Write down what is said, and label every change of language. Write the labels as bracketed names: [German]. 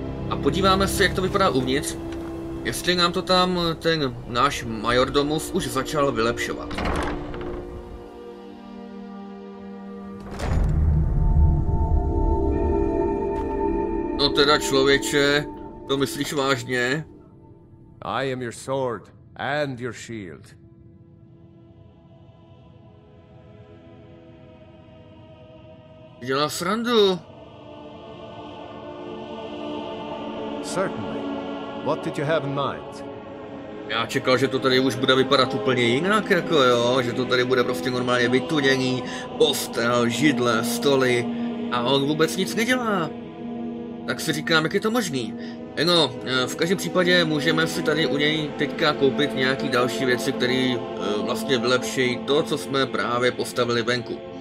[Czech] A podíváme se, jak to vypadá uvnitř. Jestli nám to tam ten náš majordomus už začal vylepšovat. No teda člověče, to myslíš vážně? [English] I am your sword and your shield. [Czech] Dělá srandu. [English] Certainly. What did you have in mind? [Czech] Já čekal, že to tady už bude vypadat úplně jinak, jako jo, že to tady bude prostě normálně vytuněný, postel, židle, stoly, a on vůbec nic nedělá. Tak si říkám, jak je to možný. No, v každém případě můžeme si tady u něj teďka koupit nějaký další věci, které vlastně vylepší to, co jsme právě postavili venku.